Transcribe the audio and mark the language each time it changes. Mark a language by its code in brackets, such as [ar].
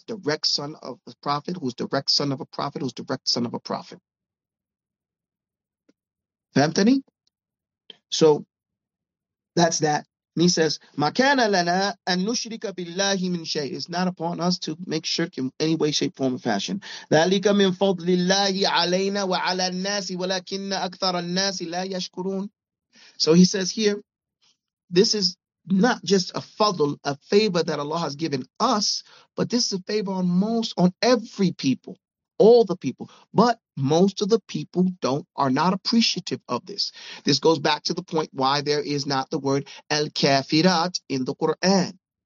[en] Direct son of a prophet, who's direct son of a prophet, who's direct son of a prophet. Anthony? So that's that. And he says, [ar] Makana lana an nushrika billahi min shay. [en] It's not upon us to make shirk in any way, shape, form, or fashion. [ar] ذلك من فضل الله علينا وعلى الناس ولكن أكثر الناس لا يشكرون. [en] So he says here, this is not just a fadl, a favor that Allah has given us, but this is a favor on most, on every people. All the people, but most of the people are not appreciative of this. This goes back to the point why there is not the word al-kafirat in the Quran.